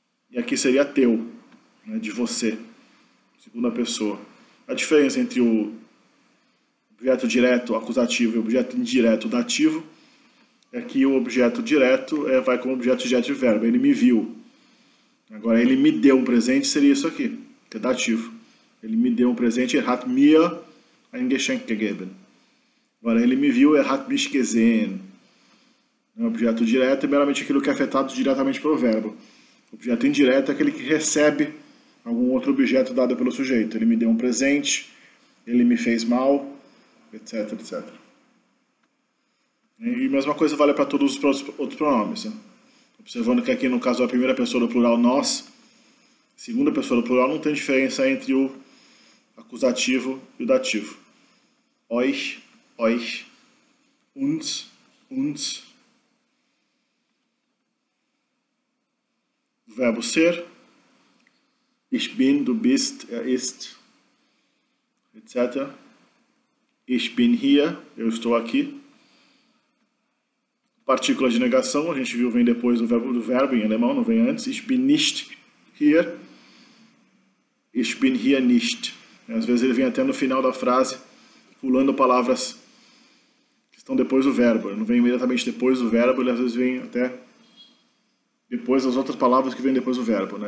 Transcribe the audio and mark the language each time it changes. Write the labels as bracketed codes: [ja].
[pt] E aqui seria teu, né, de você, segunda pessoa. A diferença entre o objeto direto, acusativo, e o objeto indireto, dativo, é que o objeto direto vai com o objeto direto de verbo, ele me viu. Agora, ele me deu um presente, seria isso aqui, que é dativo. Ele me deu um presente, [de] er hat mir ein Geschenk gegeben. [pt] Agora, ele me viu, [de] er hat mich gesehen. [pt] É um objeto direto, é meramente aquilo que é afetado diretamente pelo verbo. Objeto indireto é aquele que recebe algum outro objeto dado pelo sujeito. Ele me deu um presente, ele me fez mal, etc, etc. E a mesma coisa vale para todos os outros pronomes, né? Observando que aqui, no caso, a primeira pessoa do plural nós, segunda pessoa do plural, não tem diferença entre o acusativo e o dativo. [de] Euch, euch, uns, uns. [pt] Verbo ser, [de] ich bin, du bist, er ist, etc. Ich bin hier, [pt] eu estou aqui. Partícula de negação, a gente viu, vem depois do verbo em alemão, não vem antes. [de] Ich bin nicht hier. Ich bin hier nicht. [pt] E às vezes ele vem até no final da frase, pulando palavras que estão depois do verbo. Ele não vem imediatamente depois do verbo, ele às vezes vem até depois das outras palavras que vêm depois do verbo, né?